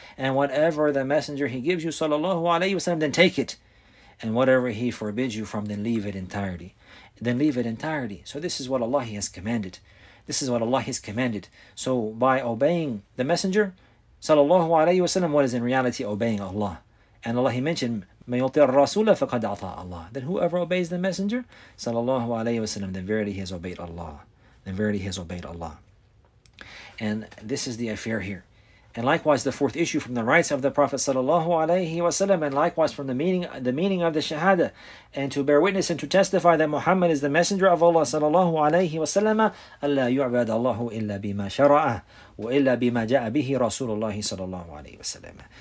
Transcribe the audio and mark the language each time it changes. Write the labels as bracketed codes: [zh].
[en] And whatever the messenger he gives you, sallallahu alayhi wa sallam, then take it. And whatever he forbids you from, then leave it entirely. Then leave it entirely. So this is what Allah, he has commanded. This is what Allah has commanded. So by obeying the messenger, sallallahu alayhi wa sallam, what is in reality obeying Allah? And Allah, he mentioned, [ar] مَنْ يُطِعَ الرَّسُولَ فَقَدْ عَطَى اللَّهُ. [en] Then whoever obeys the messenger, sallallahu alayhi wa sallam, then verily he has obeyed Allah. Then verily he has obeyed Allah. And this is the affair here. And likewise, the fourth issue from the rights of the Prophet sallallahu alayhi wa sallam, and likewise from the meaning of the shahada, and to bear witness and to testify that Muhammad is the messenger of Allah sallallahu alayhi wa sallam, [ar] أَلَّا يُعْبَدَ اللَّهُ إِلَّا بِمَا شَرَعَ وَإِلَّا بِمَا جَاءَ بِهِ رَسُولُ اللَّهِ [en] sallallahu alayhi wa sallam.